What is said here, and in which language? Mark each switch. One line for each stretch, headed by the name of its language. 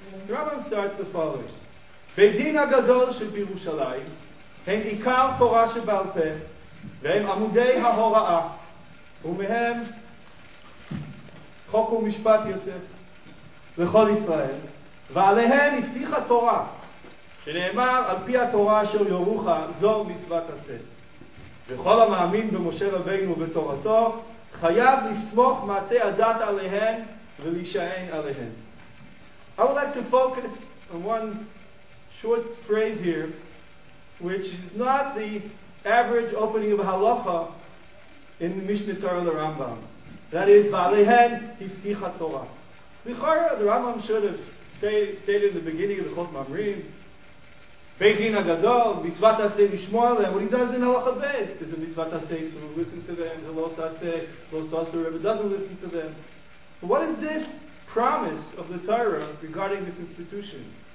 Hebrew: The Rambam starts the following. Beit Din HaGadol shel Birushalayim hem ikar Torah shebal peh vehem amudei ha-hora'ah umehem chok u'mishpat yotzeh lechol Yisrael ve'alehen iftichah Torah שנאמר על פי התורה אשר יורוך זו מצוות עשה. וכל המאמין במשה רבינו ובתורתו חייב לסמוך מעשי הדת עליהן ולהישען עליהן.
English: I would like to focus on one short phrase here, which is not the average opening of halacha in the Mishneh Torah of the Rambam. That is,
Hebrew: ועליהן הבטיחה תורה.
English: לכאורה, the Rambam should have stated in the beginning of the Chof Mamrim, Beit Din HaGadol,
Hebrew: mitzvah taseh lishmo alehem,
English: what he does in halacha beis, is a mitzvah taseh to listen to them, to los taseh, los taseh, whoever doesn't listen to them. But what is this promise of the Torah regarding this institution?